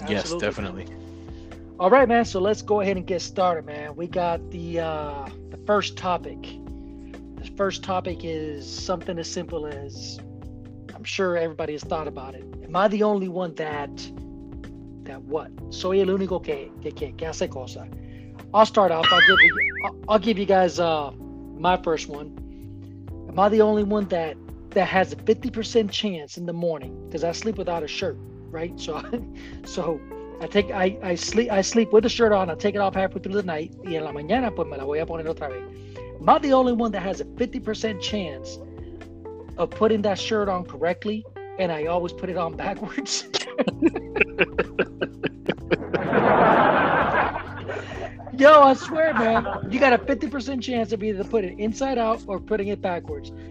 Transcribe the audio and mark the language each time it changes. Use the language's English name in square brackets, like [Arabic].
[English] Yeah, absolutely. Yes, definitely. All right, man, so let's go ahead and get started, man. We got the first topic. The first topic is something as simple as, I'm sure everybody has thought about it. Am I the only one that what? [Spanish] Soy el único que hace cosa. [English] I'll start off. I'll give you guys my first one. Am I the only one that has a 50% chance in the morning? Because I sleep without a shirt. Right, so I sleep with the shirt on. I take it off halfway through the night. [Spanish] Y en la mañana pues me la voy a poner otra vez. [English] Am I the only one that has a 50% chance of putting that shirt on correctly, and I always put it on backwards? Yo, I swear, man, you got a 50% chance of either putting it inside out or putting it backwards.